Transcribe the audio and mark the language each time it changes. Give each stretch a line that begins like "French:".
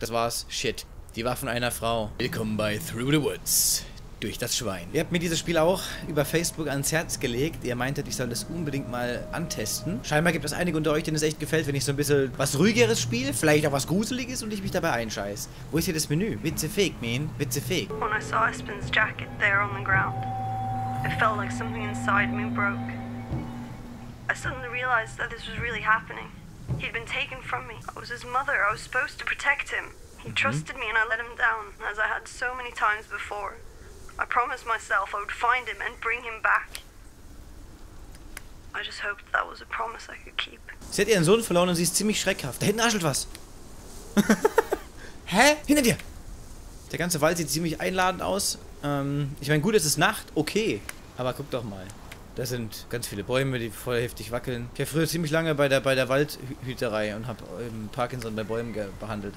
German: Das war's. Shit. Die Waffen einer Frau. Willkommen bei Through the Woods. Durch das Schwein. Ihr habt mir dieses Spiel auch über Facebook ans Herz gelegt. Ihr meintet, ich soll das unbedingt mal antesten. Scheinbar gibt es einige unter euch, denen es echt gefällt, wenn ich so ein bisschen was ruhigeres spiele, vielleicht auch was gruseliges und ich mich dabei einscheiße. Wo ist hier das Menü? Witze fake, man. Witze fake.
English: When I saw Espen's jacket there on the ground, it felt like something inside me broke. I suddenly realized that this was really happening. He'd been taken from me. I was his mother. I was supposed to protect him. He trusted me and I let him down, as I had so many times before. I promised myself I would find him and bring him back. I just hoped that was a promise I could keep.
German: Sie hat ihren Sohn verloren und sie ist ziemlich schreckhaft. Da hinten raschelt was. Hä? Hinter dir! Der ganze Wald sieht ziemlich einladend aus. Ich meine, gut, es ist Nacht. Okay. Aber guck doch mal. Da sind ganz viele Bäume, die voll heftig wackeln. Ich war früher ziemlich lange bei der Waldhüterei und habe Parkinson bei Bäumen behandelt.